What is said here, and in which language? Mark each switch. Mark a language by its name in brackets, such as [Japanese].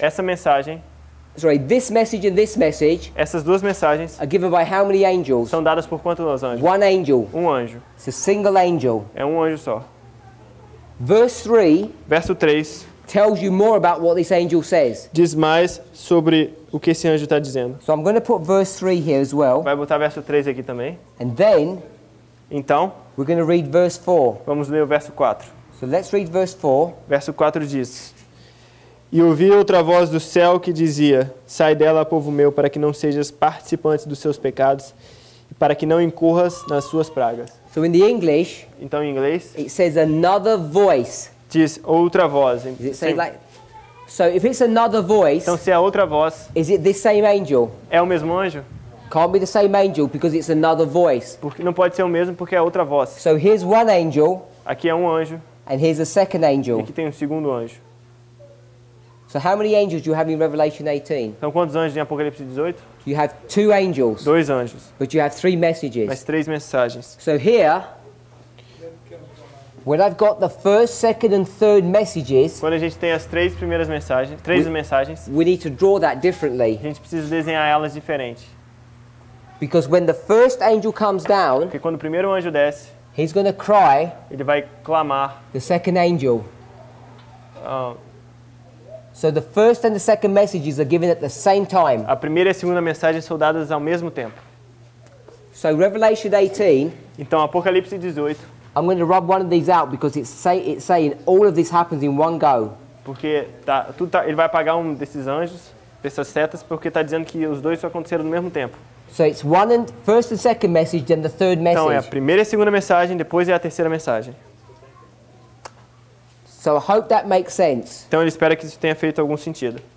[Portuguese] Essa mensagem. [English] Sorry, this message and this message. [Portuguese] Essas duas mensagens. [English] Are given by how many angels? [Portuguese] São dadas por quantos anjos? [English] One angel. [Portuguese] Um anjo. [English] It's a single angel. [Portuguese] É um anjo só. [English] Verse 3, [Portuguese] verso 3 [English] tells you more about what this angel says. [Portuguese] Diz mais sobre o que esse anjo está dizendo. [English] So I'm going to put verse 3 here as well. [Portuguese] Vai botar verso 3 aqui também. [English] And then, [Portuguese] então, [English] we're going to read verse 4. [Portuguese] Vamos ler o verso 4. [English] So let's read verse 4. [Portuguese] Verso 4 diz: e ouvi outra voz do céu que dizia: sai dela, povo meu, para que não sejas participante dos seus pecados e para que não incorras nas suas pragas. [English] So in the English, [Portuguese] então em inglês, [English] it says another voice. [Portuguese] Diz outra voz. [English] Is it saying like, so if it's another voice, [Portuguese] então se é outra voz, [English] is it the same angel? [Portuguese] É o mesmo anjo? [English] Can't be the same angel because it's another voice. [Portuguese] Porque não pode ser o mesmo porque é outra voz. [English] So here's one angel. [Portuguese] Aqui é um anjo. [English] And here's the second angel. [Portuguese] E aqui tem um segundo anjo. [English] So how many angels do you have in Revelation 18? [Portuguese] Então quantos anjos em Apocalipse 18? [English] You have two angels. [Portuguese] Dois anjos. [English] But you have three messages. [Portuguese] Mas três mensagens. [English] So here, when I've got the first, second, and third messages, [Portuguese] quando a gente tem as três primeiras mensagens, mensagens, [English] we need to draw that differently. [Portuguese] A gente precisa desenhar elas diferente. [English] Because when the first angel comes down, [Portuguese] porque quando o primeiro anjo desce, [English] he's going to cry. [Portuguese] Ele vai clamar. [English] The second angel. So the first and the second messages are given at the same time. [Portuguese] A primeira e a segunda mensagem são dadas ao mesmo tempo. [English] So Revelation 18. [Portuguese] Então Apocalipse 18. [English] I'm going to rub one of these out because it's saying all of this happens in one go. [Portuguese] Porque tá, tudo tá, ele vai apagar um desses anjos, dessas setas, porque está dizendo que os dois só aconteceram no mesmo tempo. [English] So it's one and first and second message, then the third message. [Portuguese] Então é a primeira e a segunda mensagem, depois é a terceira mensagem. [English] So I hope that makes sense. [Portuguese] Então ele espera que isso tenha feito algum sentido.